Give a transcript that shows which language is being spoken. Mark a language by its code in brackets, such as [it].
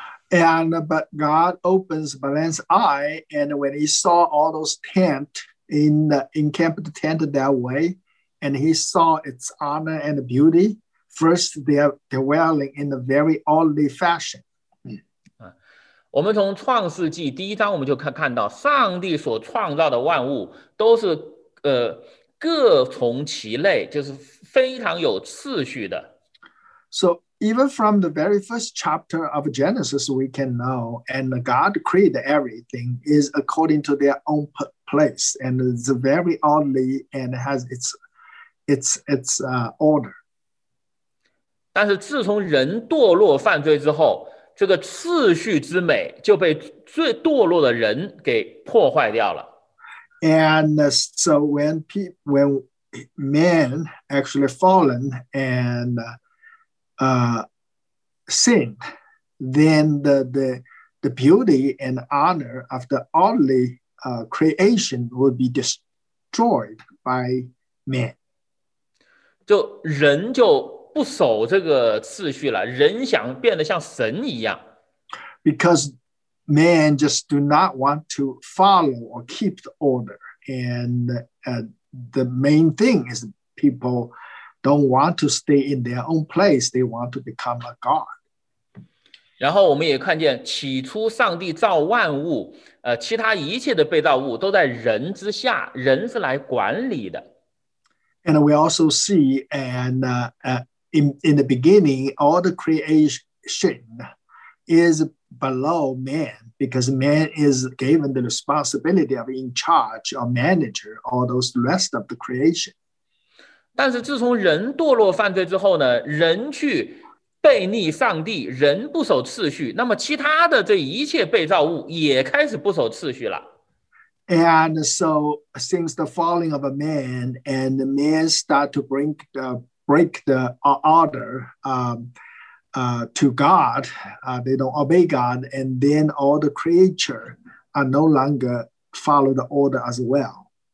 [en] And but God opens Balaam's eye, and when he saw all those tents in the encamped tent that way, and he saw its honor and beauty, first they are dwelling in a very orderly fashion. [zh] 我们从创世纪第一章我们就看到，上帝所创造的万物都是各从其类，就是非常有秩序的。 [en] So. Even from the very first chapter of Genesis, we can know, and God created everything is according to their own place, and it's very orderly and has its order. [zh] 但是自从人堕落犯罪之后，这个秩序之美就被最堕落的人给破坏掉了。 [en] And so when man actually fallen andsin, then the beauty and honor of the orderly creation will be destroyed by man. [zh] 就人就不守这个秩序了，人想变得像神一样。 [en] Because man just do not want to follow or keep the order, and the main thing is people. Don't want to stay in their own place. They want to become a god. [zh] 然后我们也看见，起初上帝造万物，其他一切的被造物都在人之下，人是来管理的。 [en] And we also see, in the beginning, all the creation is below man because man is given the responsibility of in charge or manager all those rest of the creation. [zh] 但是自从人堕落犯罪之后呢，人去背逆上帝，人不守秩序，那么其他的这一切被造物也开始不守秩序了。 [en] And so since the falling of a man and man start to bring the break the order to God, they don't obey God, and then all the creature are no longer follow the order as well.